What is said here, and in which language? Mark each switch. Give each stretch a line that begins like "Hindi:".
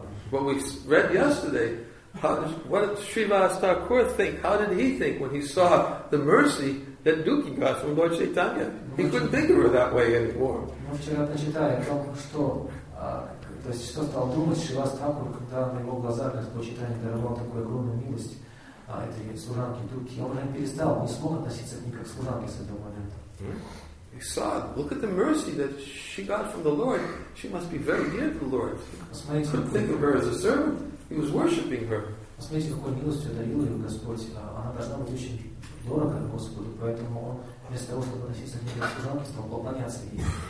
English: What we read yesterday, what did Srivas Thakur think? How did he think when he saw the mercy that Dukhi got from Lord Chaitanya? He couldn't think of her that way anymore.
Russian: То есть, что стал думать Шивас Такур, когда на его глазах Господь Читание даровал такую огромную милость этой служанке Дуки, он уже перестал, не смог относиться к ней как к служанке с этого момента.
English: He saw, look at the mercy that she got from the Lord. She must be very dear to the Lord.
Russian: Посмотрите,
English: couldn't think of her as a servant. He was worshipping her.
Russian: Посмотрите, какой милостью одарил ее Господь. Она должна быть очень дорога Господу, поэтому он вместо того, чтобы относиться к ней как к служанке, стал поклоняться ей.